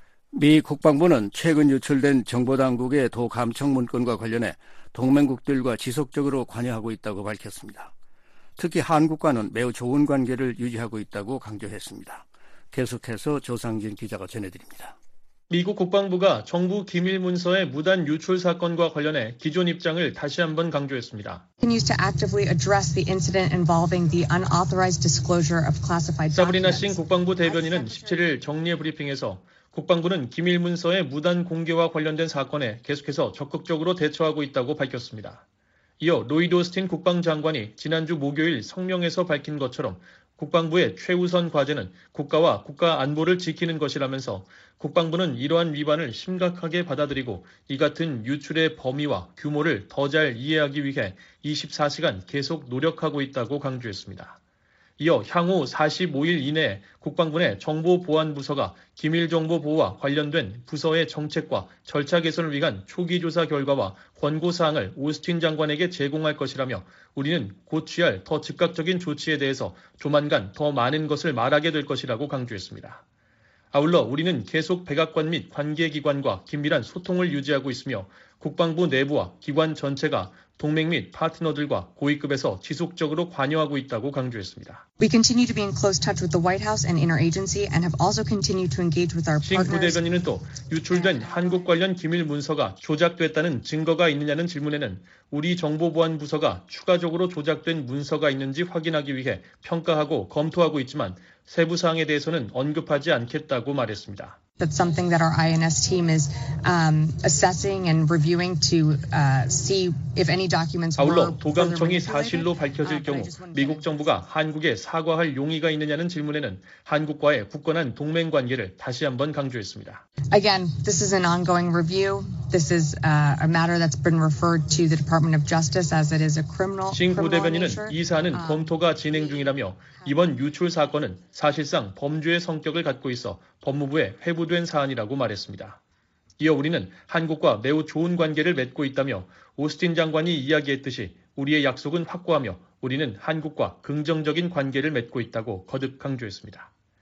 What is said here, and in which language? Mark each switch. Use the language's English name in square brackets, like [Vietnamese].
[Korean] 미 국방부는 최근 유출된 정보당국의 도감청 문건과 관련해 동맹국들과 지속적으로 관여하고 있다고 밝혔습니다. 특히 한국과는 매우 좋은 관계를 유지하고 있다고 강조했습니다. 계속해서 조상진 기자가 전해드립니다. 미국 국방부가 정부 기밀 문서의 무단 유출 사건과 관련해 기존 입장을 다시 한번 강조했습니다. [English] Continues to actively address the incident involving the unauthorized disclosure of classified documents. [Korean] 사브리나 싱 국방부 대변인은 17일 정례 브리핑에서 국방부는 기밀 문서의 무단 공개와 관련된 사건에 계속해서 적극적으로 대처하고 있다고 밝혔습니다. 이어 로이드 오스틴 국방장관이 지난주 목요일 성명에서 밝힌 것처럼 국방부의 최우선 과제는 국가와 국가 안보를 지키는 것이라면서 국방부는 이러한 위반을 심각하게 받아들이고 이 같은 유출의 범위와 규모를 더 잘 이해하기 위해 24시간 계속 노력하고 있다고 강조했습니다. 이어 향후 45일 이내에 국방부 내 정보보안부서가 기밀정보보호와 관련된 부서의 정책과 절차 개선을 위한 초기 조사 결과와 권고사항을 오스틴 장관에게 제공할 것이라며 우리는 곧 취할 더 즉각적인 조치에 대해서 조만간 더 많은 것을 말하게 될 것이라고 강조했습니다. 아울러 우리는 계속 백악관 및 관계기관과 긴밀한 소통을 유지하고 있으며 국방부 내부와 기관 전체가 동맹 및 파트너들과 고위급에서 지속적으로 관여하고 있다고 강조했습니다. [English] We continue to be in close touch with the White House and interagency and have also continued to engage with our partners. [Korean] 신 부대변인은 또 유출된 한국 관련 기밀 문서가 조작됐다는 증거가 있느냐는 질문에는 우리 정보보안부서가 추가적으로 조작된 문서가 있는지 확인하기 위해 평가하고 검토하고 있지만 세부사항에 대해서는 언급하지 않겠다고 말했습니다. [English] That's something that our INS team is assessing and reviewing to see if any documents were. [Korean] 아울러 도감청이 사실로 밝혀질 경우 미국 정부가 한국에 사과할 용의가 있느냐는 질문에는 한국과의 굳건한 동맹 관계를 다시 한번 강조했습니다. [English] Again, this is an ongoing review. This is a matter that's been referred to the Department of Justice as it is a criminal. [Korean] 신구 대변인은 이 사안은 검토가 진행 중이라며 이번 유출 사건은 사실상 범죄의 성격을 갖고 있어 법무부에 회부된 사안이라고 말했습니다. 이어 우리는 한국과 매우 좋은 관계를 맺고 있다며 오스틴 장관이 이야기했듯이 우리의 약속은 확고하며 우리는 한국과 긍정적인 관계를 맺고 있다고 거듭 강조했습니다.